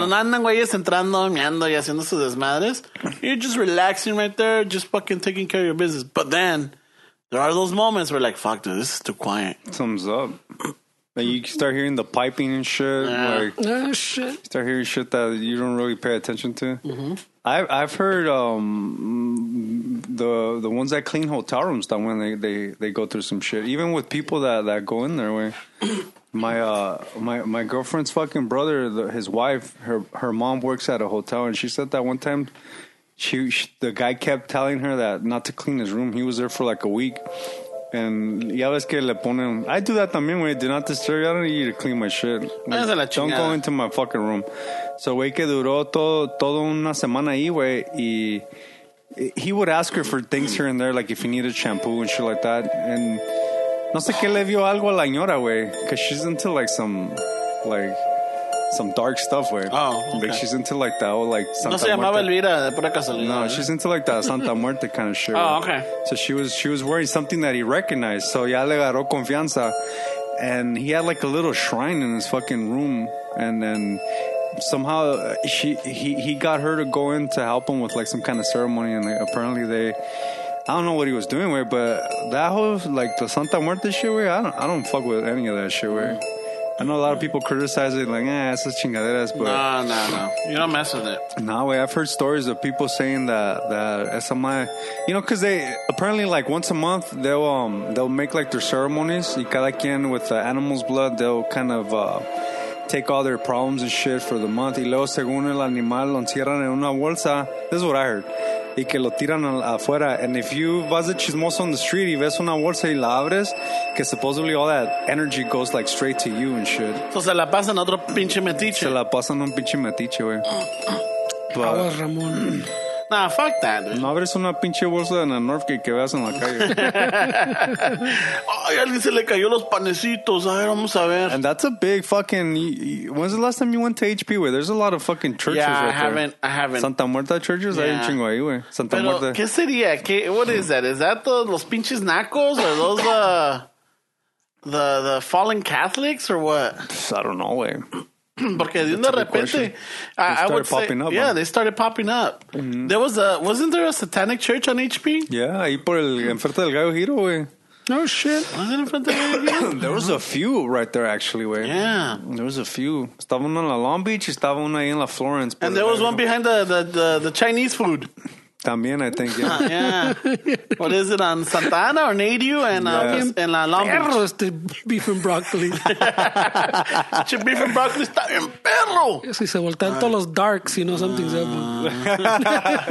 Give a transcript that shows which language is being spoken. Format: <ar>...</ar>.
<es>Pero no andan, güey, es entrando, meando y haciendo sus desmadres.</es> <en>You're just relaxing right there, just fucking taking care of your business. But then, there are those moments where like, fuck, dude, this is too quiet. Thumbs up. And you start hearing the piping and shit. Yeah. Like, shit. You start hearing shit that you don't really pay attention to. Mm-hmm. I've heard the ones that clean hotel rooms, that when they go through some shit, even with people that go in there. Where my girlfriend's fucking brother, his wife, her mom works at a hotel, and she said that one time the guy kept telling her that not to clean his room. He was there for like a week. And</en> <es>ya ves que le ponen.</es> <en>I do that</en> <es>también, güey.</es> <en>Do not disturb. I don't need you to clean my shit. Like, don't go into my fucking room.</en> <es>So, güey, que duró todo una semana ahí, güey. Y</es> <en>he would ask her for things here and there, like if he needed shampoo and shit like that. And</en> <es>no sé qué le vio algo a la señora, güey.</es> <en>Because she's into like some dark stuff,</en> <es>güey.</es> <en>Oh, okay. Like she's into like that old, like</en> <es>Santa Muerte. No se llamaba Elvira, de pura casualidad.</es> <en>No, she's into like that Santa Muerte kind of shit. Oh, okay. So she was wearing something that he recognized. So</en> <es>ya le agarró confianza.</es> <en>And he had like a little shrine in his fucking room. And then somehow he got her to go in to help him with like some kind of ceremony. And like, apparently I don't know what he was doing, güey. But that whole, like the Santa Muerte shit, güey, I don't fuck with any of that shit, güey. I know a lot of people criticize it, like,</en> <es>esas chingaderas,</es> <en>but... No. You don't mess with it. Nah, I've heard stories of people saying that SMI... You know, because they... Apparently, like, once a month, they'll make, like, their ceremonies.</en> <es>Y cada quien</es> <en>with the animal's blood, they'll kind of take all their problems and shit for the month.</en> <es>Y luego, según el animal, lo encierran en una bolsa.</es> <en>This is what I heard.</en> <es>Y que lo tiran afuera.</es> <en>And if you</en> <es>vas de chismoso</es> <en>on the street</en> <es>y ves una bolsa y la abres, que</es> <en>supposedly all that energy goes like straight to you and shit. So</en> <es>se la pasan a otro pinche metiche. Se la pasan a un pinche metiche, güey. Ah, Ramón.</es> <en>Nah, fuck that, dude.</en> <es>No abres una pinche bolsa en el Northgate que veas en la calle. Ay, alguien se le cayó los panecitos. A ver, vamos a ver.</es> <en>And that's a big fucking... When's the last time you went to HP, güey? There's a lot of fucking churches I haven't.</en> <es>Santa Muerta</es> <en>churches? Yeah.</en> <es>Hay un chingo ahí, güey. Santa Pero, Muerta. ¿Qué sería? ¿Qué,</es> <en>what is that? ¿Is that</en> <es>los pinches nacos?</es> <en>¿Or those the fallen Catholics or what? I don't know, güey.</en> <es>Porque de una repente,</es> <en>they started they started popping up. Mm-hmm. There was a, wasn't there a satanic church on HP?</en> <es>Yeah, ahí por el enfrente del Gallo Giro, güey.</es> <en>No shit. Wasn't in front of the Gallo Giro? There was a few right there, actually, güey. Yeah. There was a few.</en> <es>Estaba uno en la Long Beach y estaba uno ahí en la Florence.</es> <en>And there was one behind the Chinese food.</en> <es>También,</es> <en>I think, yeah. Yeah. What is it, on Santa Ana or Nadio and in La Long Beach?</en> <es>Perro, este beef and broccoli. Este beef and broccoli está bien perro. Si se voltean todos los darks,</es> <en>you know, something's up.</en> <es>Está</es>